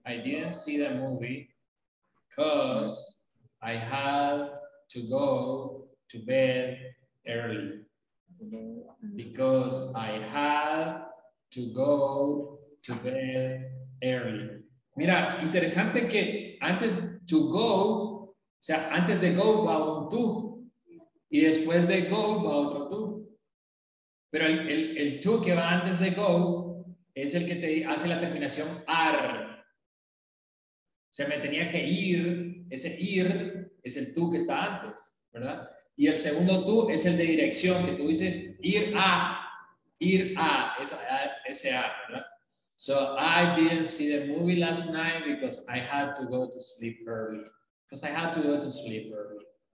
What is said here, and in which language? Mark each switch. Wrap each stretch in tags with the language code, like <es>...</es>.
<en>I didn't see the movie because I had to go to bed early. Because I had to go to bed early.</en> <es>Mira, interesante que antes to go, o sea, antes de go va un to, y después de go va otro to. Pero el to que va antes de go es el que te hace la terminación ar. O sea, me tenía que ir, ese ir es el to que está antes, ¿verdad? Y el segundo to es el de dirección, que tú dices ir a, ese a, ¿verdad?</es> <en>So I didn't see the movie last night because I had to go to sleep early. Because I had to go to sleep early.</en>